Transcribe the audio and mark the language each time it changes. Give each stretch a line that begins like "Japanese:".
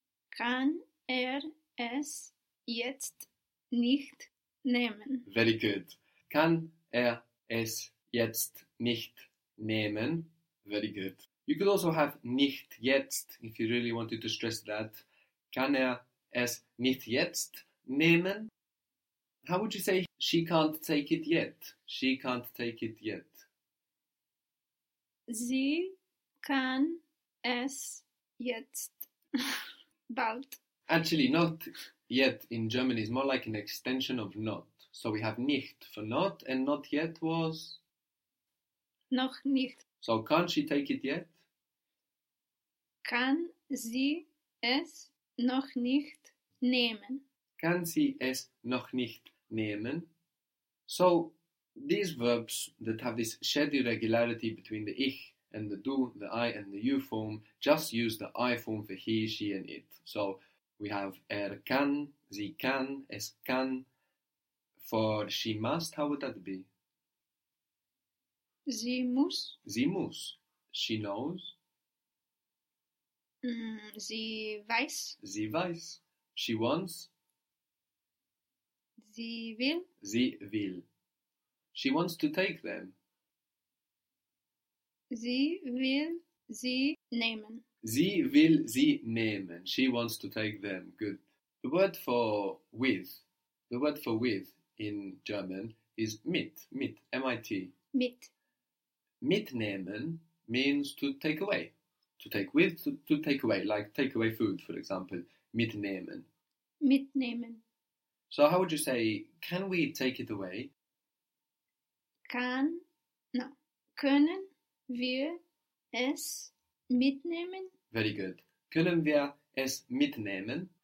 German: Kann es jetzt nicht nehmen?
English: Very good.
German: Kann es jetzt nicht nehmen?
English: Very good. You could also have
German: nicht jetzt
English: if you really wanted to stress that.
German: Kann es nicht jetzt nehmen?
English: How would you say she can't take it yet? She can't take it yet.
German: Sie kann es jetzt bald.
English: Actually, not yet in German is more like an extension of not. So we have nicht for not, and not yet was?
German: Noch nicht.
English: So can't she take it yet?
German: Kann sie es noch nicht nehmen? Kann sie es noch nicht nehmen.
English: So these verbs that have this shared irregularity between the ich and the du, the I and the you form, just use the I form for he, she and it.
German: So we have kann, sie kann, es kann.
English: For she must, how would that be?
German: Sie muss. Sie muss.
English: She knows.
German: Sie weiß. Sie weiß.
English: She wants.
German: Sie will. Sie will.
English: She wants to take them.
German: Sie will sie nehmen. Sie will sie nehmen.
English: She wants to take them. Good. The word for with, the word for with in German is mit, mit, M-I-T.
German: Mit.
English: Mitnehmen means to take away. To take with, to take away, like take away food, for example.
German: Mitnehmen. Mitnehmen.
English: So how would you say, can we take it away?
German: Kann, no, können wir es mitnehmen?
English: Very good.
German: Können wir es mitnehmen?